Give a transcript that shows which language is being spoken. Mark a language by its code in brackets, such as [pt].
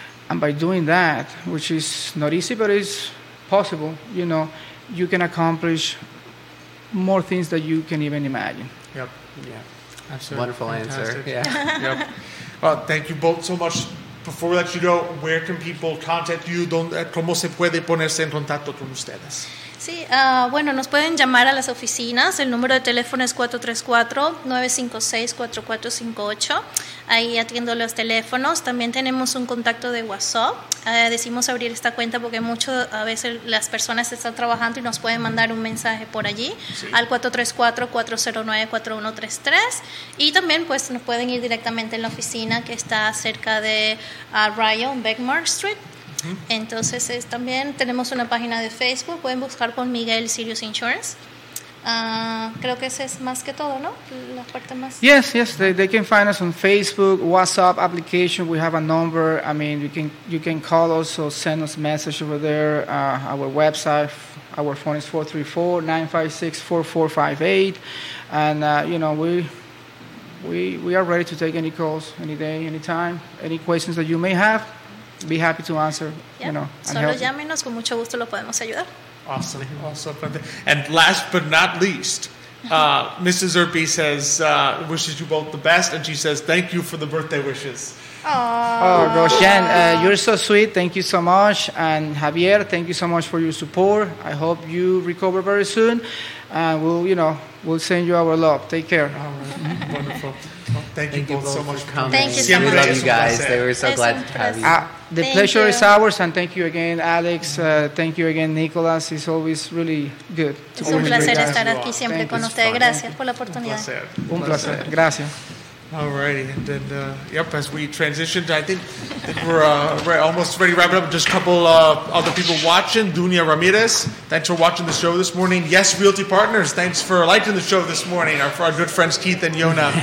[en] And by doing that, which is not easy, but it's possible, you know, you can accomplish more things than you can even imagine. Yep. Yeah. Absolutely. Wonderful Fantastic. Answer. Yeah. Yep. Well, thank you both so much. Before we let you go, where can people contact you? [es] ¿Cómo se puede ponerse en contacto con ustedes? Sí, bueno, nos pueden llamar a las oficinas. El número de teléfono es 434-956-4458. Ahí atiendo los teléfonos. También tenemos un contacto de WhatsApp. Decimos abrir esta cuenta porque mucho a veces las personas están trabajando y nos pueden mandar un mensaje por allí, sí. Al 434-409-4133. Y también pues nos pueden ir directamente en la oficina, que está cerca de Ryan Beckmark Street. Entonces es, también tenemos una página de Facebook, pueden buscar con Miguel Sirius Insurance. Creo que ese es más que todo, ¿no? La parte más. [en] Yes, they can find us on Facebook, WhatsApp application. We have a number. I mean, you can call us or send us a message over there. Our website, our phone is 434-956-4458, and you know, we are ready to take any calls any day, any time, any questions that you may have. Be happy to answer, you know. [es] Solo llámenos, con mucho gusto lo podemos ayudar. [en] Awesome. And last but not least, Mrs. Urpí says, wishes you both the best, and she says, thank you for the birthday wishes. Aww. Oh, gosh. Jen, you're so sweet. Thank you so much. And Javier, thank you so much for your support. I hope you recover very soon. And we'll, you know, we'll send you our love. Take care. All right. Wonderful. Thank you both so much for coming. Thank you so much. We love you guys. They were so glad to have you. The pleasure is ours. And thank you again, Alex. Thank you again, Nicolas. It's always really good. [es] Es un placer estar aquí siempre con ustedes. Gracias por la oportunidad. Un placer. Gracias. [en] All righty. And then, yep, as we transitioned, I think we're almost ready to wrap it up. Just a couple other people watching. Dunia Ramirez, thanks for watching the show this morning. Yes, Realty Partners, thanks for liking the show this morning. For our good friends Keith and Yona.